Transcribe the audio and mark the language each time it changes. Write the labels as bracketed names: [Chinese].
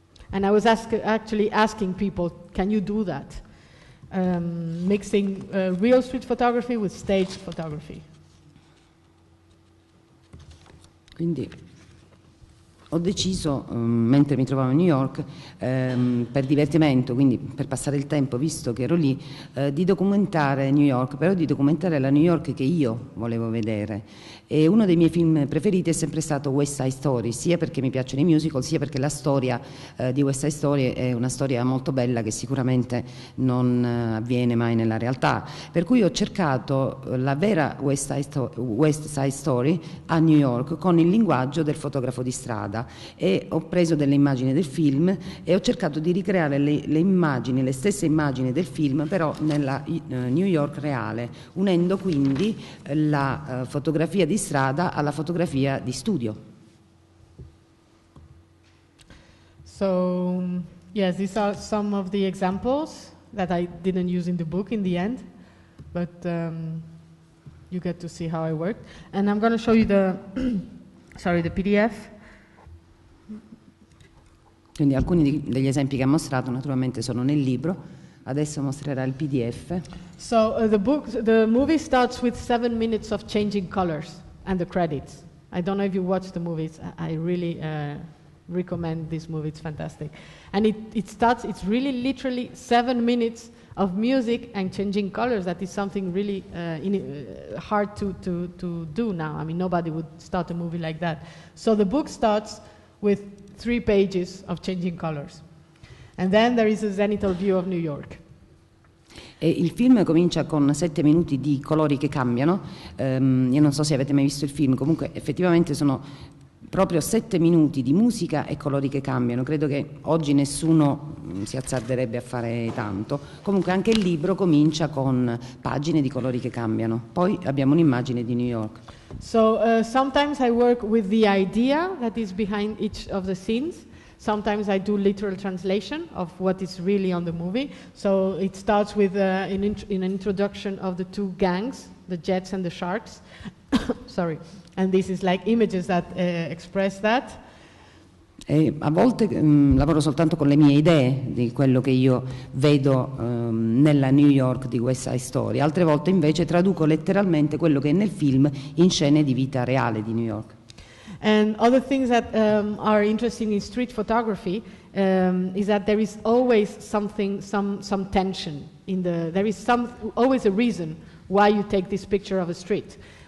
[English] And I was actually asking people, can you do that? Mixing real street photography with stage photography. [Italian] Quindi ho deciso, mentre mi trovavo a New York, per divertimento, quindi per passare il tempo, visto che ero lì, di documentare New York, però di documentare la New York che io volevo vedere. E uno dei miei film preferiti è sempre stato West Side Story, sia perché mi piacciono i musical, sia perché la storia di West Side Story è una storia molto bella che sicuramente non avviene mai nella realtà. Per cui ho cercato la vera West Side Story a New York con il linguaggio del fotografo di strada e ho preso delle immagini del film e ho cercato di ricreare le immagini, le stesse immagini del film, però nella New York reale, unendo quindi la fotografia di strada alla fotografia di studio. [English] So yes, these are some of the examples that I didn't use in the book in the end, but you get to see how I worked. And I'm going to show you the Sorry, the PDF. [Italian] Quindi alcuni degli esempi che ha mostrato naturalmente sono nel libro. Adesso mostrerà il PDF. [English] So the movie starts with 7 minutes of changing colors and the credits. I don't know if you watch the movie. I really recommend this movie. It's fantastic. And it starts. It's really literally 7 minutes of music and changing colors. That is something really hard to do now. I mean, nobody would start a movie like that. So the book starts with 3 pages of changing colors. And then there is a zenithal view of New York. [Italian] E il film comincia con 7 minuti di colori che cambiano. Io non so se avete mai visto il film, comunque effettivamente sono proprio 7 minuti di musica e colori che cambiano. Credo che oggi nessuno si azzarderebbe a fare tanto. Comunque anche il libro comincia con pagine di colori che cambiano. Poi abbiamo un'immagine di New York. [English] So sometimes I work with the idea that is behind each of the scenes. Sometimes I do literal translation of what is really on the movie. So it starts with an introduction of the two gangs, the Jets and the Sharks. Sorry. And this is like images that express that. [Italian] E a volte lavoro soltanto con le mie idee di quello che io vedo nella New York di West Side Story. Altre volte invece traduco letteralmente quello che è nel film in scene di vita reale di New York. [English] And other things that are interesting in street photography is that there is always something, some tension in the. There is always a reason why you take this picture of a street.